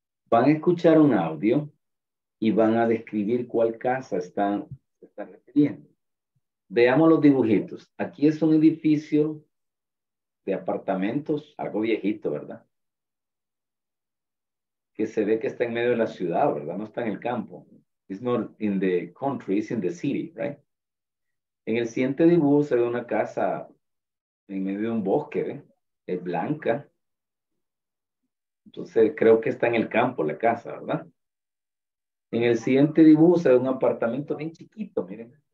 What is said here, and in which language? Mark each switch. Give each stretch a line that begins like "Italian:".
Spanish: Van a escuchar un audio y van a describir cuál casa están refiriendo. Veamos los dibujitos. Aquí es un edificio de apartamentos, algo viejito, ¿verdad? Que se ve que está en medio de la ciudad, ¿verdad? No está en el campo.
English: It's not in the country, it's in the city, right?
Spanish: En el siguiente dibujo se ve una casa en medio de un bosque, ¿eh? Es blanca. Entonces, creo que está en el campo la casa, ¿verdad? En el siguiente dibujo se ve un apartamento bien chiquito, miren.